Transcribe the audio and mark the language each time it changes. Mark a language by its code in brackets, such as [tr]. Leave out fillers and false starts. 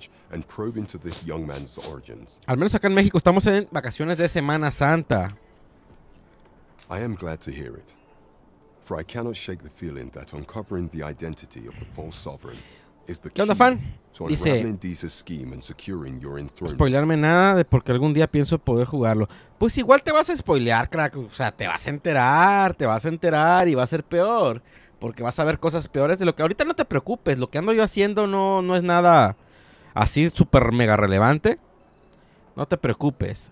[es] Al menos acá en México estamos en vacaciones de Semana Santa. [en] I am glad to hear it, for I cannot shake the feeling that uncovering the identity of the false sovereign is the key. [es] ¿Qué onda, fan? Dice, spoilearme nada de porque algún día pienso poder jugarlo. Pues igual te vas a spoilear, crack. O sea, te vas a enterar y va a ser peor. Porque vas a ver cosas peores de lo que ahorita no te preocupes. Lo que ando yo haciendo no es nada así súper mega relevante. No te preocupes.